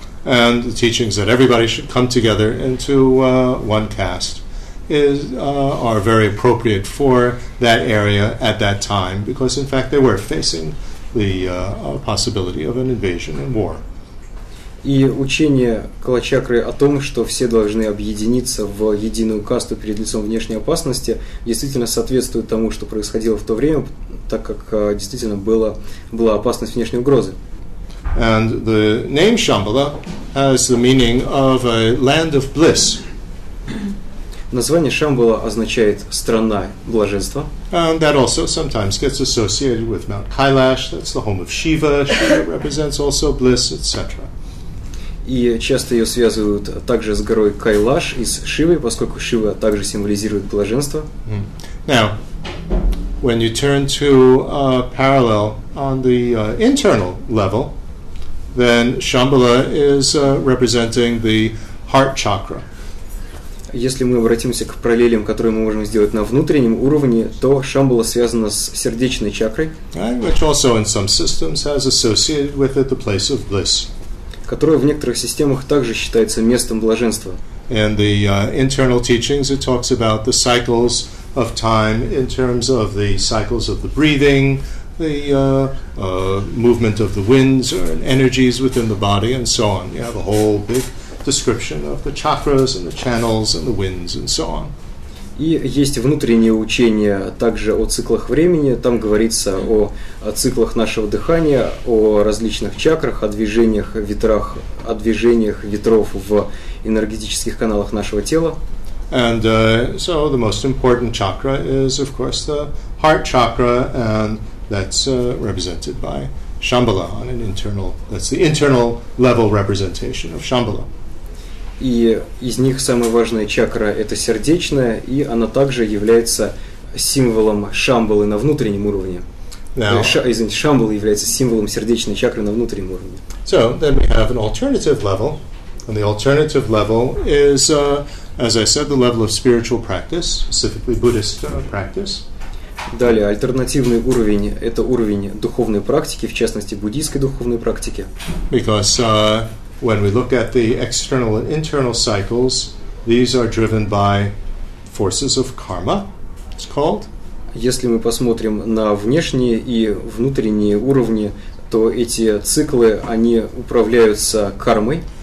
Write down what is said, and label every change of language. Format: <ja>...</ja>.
<en>And the teachings that everybody should come together into one caste is are very appropriate for that area at that time, because in fact they were facing the possibility of an invasion and war.</en> <ru>И учение Калачакры о том, что все должны объединиться в единую касту перед лицом внешней опасности, действительно соответствует тому, что происходило в то время, так как действительно была опасность внешней угрозы.</ru> <en>And the name Shambhala has the meaning of a land of bliss.</en> <ru>Название Шамбала означает «страна блаженства».</ru> <en>And that also sometimes gets associated with Mount Kailash, that's the home of Shiva, Shiva represents also bliss, etc.</en> <ru>И часто ее связывают также с горой Кайлаш и с Шивой, поскольку Шива также символизирует блаженство.</ru> <en>Now, when you turn to a parallel on the internal level, then Shambhala is representing the heart chakra.</en> <ru>Если мы обратимся к параллелям, которые мы можем сделать на внутреннем уровне, то Шамбала связана с сердечной чакрой,</ru> <en>which also in some systems has associated with it the place of bliss.</en> <ru>Которая в некоторых системах также считается местом блаженства.</ru> <en>In the internal teachings, it talks about the cycles of time in terms of the cycles of the breathing, the movement of the winds and energies within the body, and so on. You have a whole big description of the chakras and the channels and the winds and so on.</en> <ru>И есть внутреннее учение также о циклах времени. Там говорится о циклах нашего дыхания, о различных чакрах, о движениях ветров в энергетических каналах нашего тела.</ru> <en>And so the most important chakra is, of course, the heart chakra, and that's represented by Shambhala on an internal. That's the internal level representation of Shambhala.</en> <ru>И из них самая важная чакра – это сердечная, и она также является символом Шамбалы на внутреннем уровне. Шамбала является символом сердечной чакры на внутреннем уровне.</ru> <en>So, then we have an alternative level, and the alternative level is, as I said, the level of spiritual practice, specifically Buddhist practice.</en> <ru>Далее, альтернативный уровень – это уровень духовной практики, в частности, буддийской духовной практики.</ru> <en>Because when we look at the external and internal cycles, these are driven by forces of karma, it's called.</en> <ru>Если мы посмотрим на внешние и внутренние уровни, то эти циклы, они управляются кармой.</ru>